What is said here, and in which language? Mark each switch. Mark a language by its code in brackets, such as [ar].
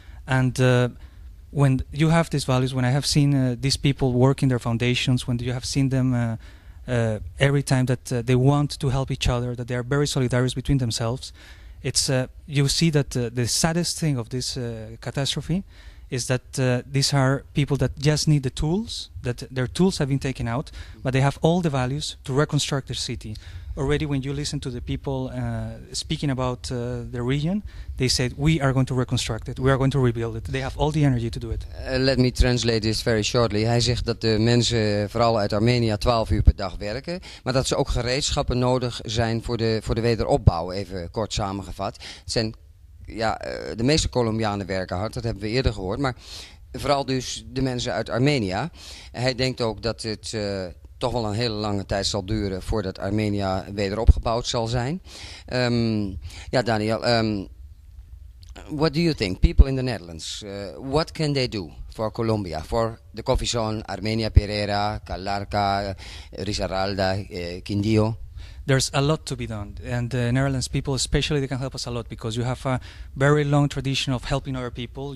[en] And when you have these values, when I have seen these people work in their foundations, when you have seen them every time that they want to help each other, that they are very solidarious between themselves, you see that the saddest thing of this catastrophe is that these are people that just need the tools, that their tools have been taken out, but they have all the values to reconstruct their city. Already when you listen to the people speaking about the region, they said, we are going to reconstruct it, we are going to rebuild it. They have all the energy to do it. Let me translate this very shortly. [nl] Hij zegt dat de mensen, vooral uit Armenië, 12 uur per dag werken, maar dat ze ook gereedschappen nodig zijn voor de wederopbouw, even kort samengevat. Het zijn, ja, de meeste Colombianen werken hard, dat hebben we eerder gehoord, maar vooral dus de mensen uit Armenië. Hij denkt ook dat het toch wel een hele lange tijd zal duren voordat Armenië wederopgebouwd zal zijn. [en] Ja, Daniel, what do you think? People in the Netherlands, what can they do for Colombia, for the coffee zone, Armenia, Pereira, Calarca, Risaralda, Quindío? There's a lot to be done, and the Netherlands people especially, they can help us a lot because you have a very long tradition of helping other people.